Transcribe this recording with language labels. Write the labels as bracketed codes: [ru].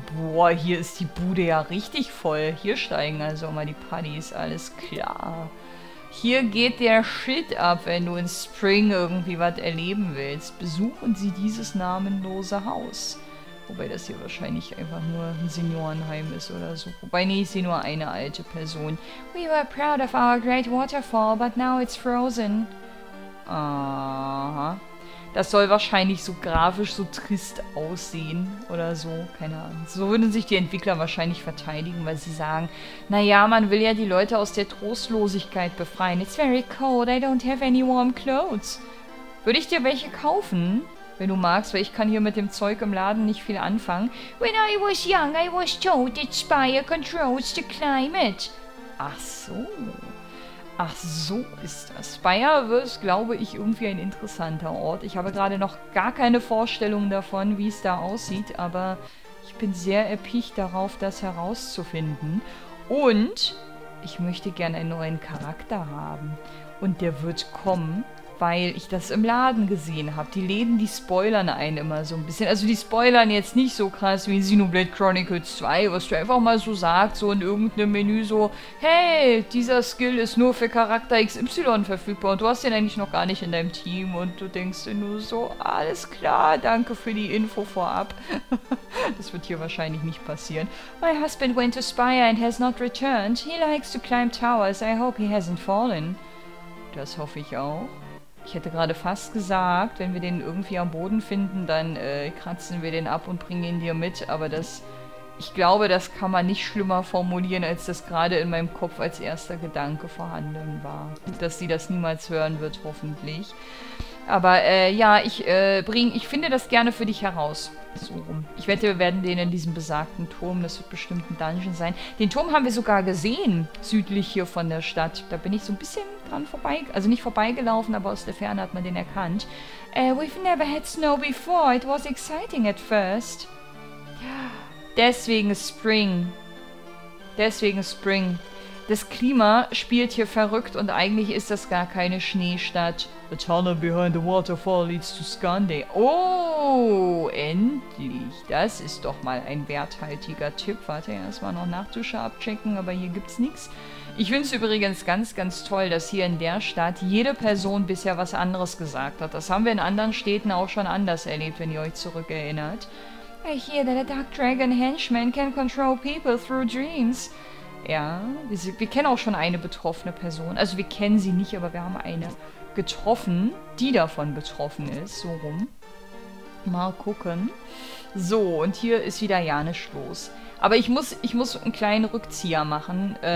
[de] Boah, hier ist die Bude ja richtig voll. Hier steigen also mal die Partys. Alles klar. Hier geht der Shit ab, wenn du in Spring irgendwie was erleben willst. Besuchen Sie dieses namenlose Haus. Wobei das hier wahrscheinlich einfach nur ein Seniorenheim ist oder so. Wobei, nee, ich sehe nur eine alte Person. [en] We were proud of our great waterfall, but now it's frozen. Aha. [de] Das soll wahrscheinlich so grafisch so trist aussehen oder so. Keine Ahnung. So würden sich die Entwickler wahrscheinlich verteidigen, weil sie sagen, naja, man will ja die Leute aus der Trostlosigkeit befreien. [en] It's very cold. I don't have any warm clothes. [de] Würde ich dir welche kaufen, wenn du magst, weil ich kann hier mit dem Zeug im Laden nicht viel anfangen. [en] When I was young, I was told that Spire controls the climate. [de] Ach so. Ach, so ist das. Spire wird, glaube ich, irgendwie ein interessanter Ort. Ich habe gerade noch gar keine Vorstellung davon, wie es da aussieht, aber ich bin sehr erpicht darauf, das herauszufinden. Und ich möchte gerne einen neuen Charakter haben. Und der wird kommen, weil ich das im Laden gesehen habe. Die Läden, die spoilern einen immer so ein bisschen. Also die spoilern jetzt nicht so krass wie Xenoblade Chronicles 2, was du einfach mal so sagst, so in irgendeinem Menü so, hey, dieser Skill ist nur für Charakter XY verfügbar und du hast den eigentlich noch gar nicht in deinem Team und du denkst dir nur so, alles klar, danke für die Info vorab. Das wird hier wahrscheinlich nicht passieren. [en] My husband went to Spire and has not returned. He likes to climb towers. I hope he hasn't fallen. [de] Das hoffe ich auch. Ich hätte gerade fast gesagt, wenn wir den irgendwie am Boden finden, dann kratzen wir den ab und bringen ihn dir mit. Aber das, ich glaube, das kann man nicht schlimmer formulieren, als das gerade in meinem Kopf als erster Gedanke vorhanden war. Dass sie das niemals hören wird, hoffentlich. Aber ich finde das gerne für dich heraus. So rum. Ich wette, wir werden den in diesem besagten Turm, das wird bestimmt ein Dungeon sein. Den Turm haben wir sogar gesehen, südlich hier von der Stadt. Da bin ich so ein bisschen dran vorbei, also nicht vorbeigelaufen, aber aus der Ferne hat man den erkannt. [en] We've never had snow before. It was exciting at first. [de] Deswegen Spring. Deswegen Spring. Das Klima spielt hier verrückt und eigentlich ist das gar keine Schneestadt. [en] A tunnel behind the waterfall leads to Skande. [de] Oh, endlich. Das ist doch mal ein werthaltiger Tipp. Warte, erstmal noch Nachtdusche abchecken, aber hier gibt's nichts. Ich finde es übrigens ganz, ganz toll, dass hier in der Stadt jede Person bisher was anderes gesagt hat. Das haben wir in anderen Städten auch schon anders erlebt, wenn ihr euch zurückerinnert. [en] I hear that a dark dragon henchman can control people through dreams. [de] Ja, wir kennen auch schon eine betroffene Person. Also wir kennen sie nicht, aber wir haben eine getroffen, die davon betroffen ist. So rum. Mal gucken. So, und hier ist wieder Janisch los. Aber ich muss einen kleinen Rückzieher machen.